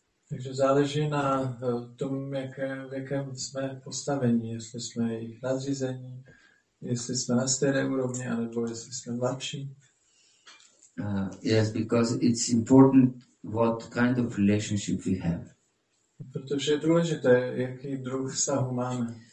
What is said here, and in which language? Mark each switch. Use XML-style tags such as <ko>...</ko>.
<cs>Takže záleží na tom, jakém věkem jsme postaveni, jestli jsme jejich nadřízení, jestli jsme na stejné úrovni, anebo jestli jsme mladší.</cs> <en>Yes, because it's important what kind of relationship we have.</en> <cs>Protože je důležité, jaký druh vztahu máme.</cs>